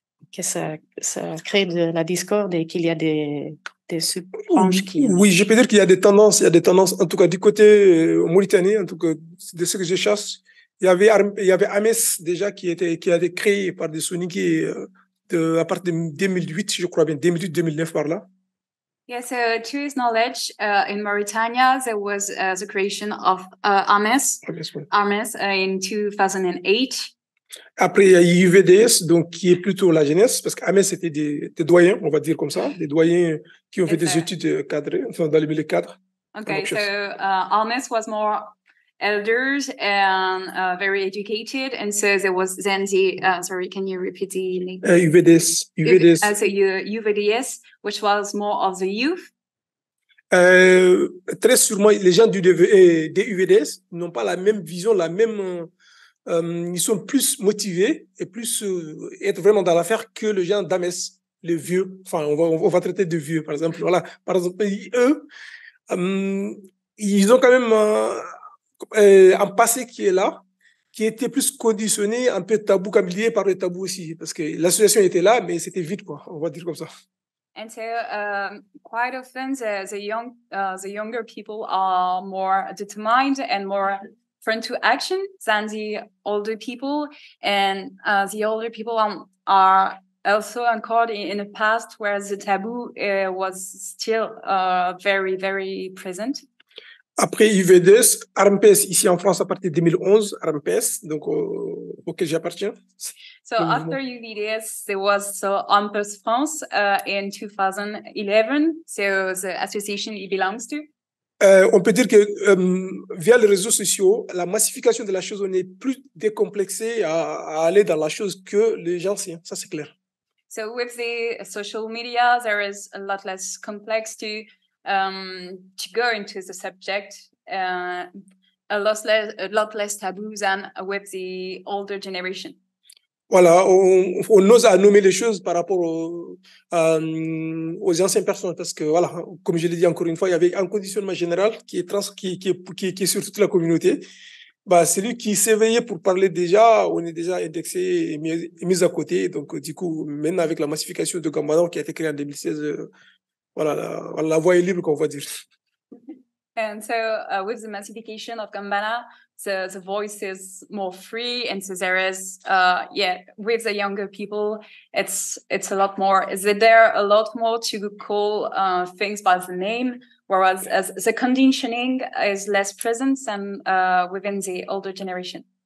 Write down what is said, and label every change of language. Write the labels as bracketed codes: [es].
[fr] que ça crée de la discorde et qu'il y a des sub-branches qui... Oui, je peux dire qu'il y a des tendances, en tout cas du côté Mauritanie, en tout cas de ce que je chasse, il y avait Ames déjà qui a été créé par des Sunniki à partir de 2008, je crois bien, 2008-2009 par là. [en] Yeah, so to his knowledge, in Mauritania, there was the creation of Ames, Ames in 2008. [fr] Après, il y a UVDS, donc, qui est plutôt la jeunesse, parce qu'Ames était des doyens, on va dire comme ça, des doyens qui ont fait des études cadrées, enfin, dans les milieux cadres. [en] Okay, so Ames was more elders and very educated. And so there was Zanzi, sorry, can you repeat the name? UVDS. UVDS, which was more of the youth. [fr] Très sûrement, les gens du UVDS n'ont pas la même vision, la même. Ils sont plus motivés et plus être vraiment dans l'affaire que les gens d'AMES, les vieux. Enfin, on va traiter de vieux, par exemple. Voilà. Par exemple, eux, ils ont quand même un passé qui est là, qui était plus conditionné, un peu tabou, comme lié par le tabou aussi. Parce que l'association était là, mais c'était vite, quoi. On va dire comme ça. [en] And so quite often the younger people are more determined and more prone to action than the older people. And the older people are also anchored in a past where the taboo was still very, very present. [fr] Après UVDS, ARMPS ici en France à partir de 2011, ARMPS, donc auquel j'appartiens. [en] So after UVDS, there was so ARMPS France in 2011, so the association it belongs to. [fr] On peut dire que via les réseaux sociaux, la massification de la chose, on est plus décomplexé à aller dans la chose que les gens, hein, ça c'est clair. [en] So with the social media, there is a lot less complex to to go into the subject, a lot less taboo than with the older generation. [fr] Voilà, on ose à nommer les choses par rapport aux anciennes personnes, parce que voilà, comme je l'ai dit encore une fois, il y avait un conditionnement général qui est sur toute la communauté. Bah, celui qui s'éveillait pour parler déjà, on est déjà indexé et mis à côté. Donc du coup, maintenant avec la massification de Gambadon qui a été créée en 2016. Voilà, la voie est libre, qu'on va dire. [en] And so, with the massification of Gambana, the voice is more free, and so there is, with the younger people, it's a lot more. Is there a lot more to call things by the name, whereas as the conditioning is less present than within the older generation?